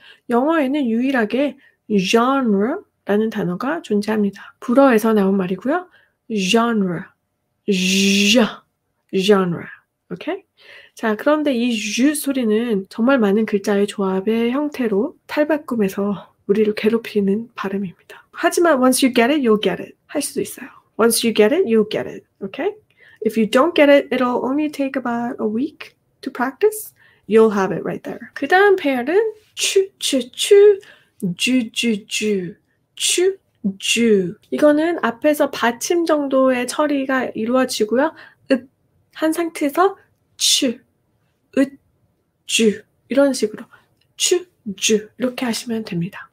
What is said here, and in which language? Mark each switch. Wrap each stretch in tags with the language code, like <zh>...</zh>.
<ko>영어에는 유일하게 genre라는 단어가 존재합니다. 불어에서 나온 말이고요. genre. genre. 오케이? 자, 그런데 이 쥬 소리는 정말 많은 글자의 조합의 형태로 탈바꿈해서 우리를 괴롭히는 발음입니다. 하지만</ko> <en>once you get it, you'll get it.</en> <ko>할 수도 있어요.</ko> <en>Once you get it, you'll get it.</en> <ko>오케이?</ko> <en>If you don't get it, it'll only take about a week to practice. You'll have it right there.</en> <ko>그 다음 pair은 추, 추, 추, 쥬, 쥬, 쥬, 추, 쥬. 이거는 앞에서 받침 정도의 처리가 이루어지고요. 한 상태에서 추, 읏, 쥬 이런 식으로 추, 쥬 이렇게 하시면 됩니다.</ko>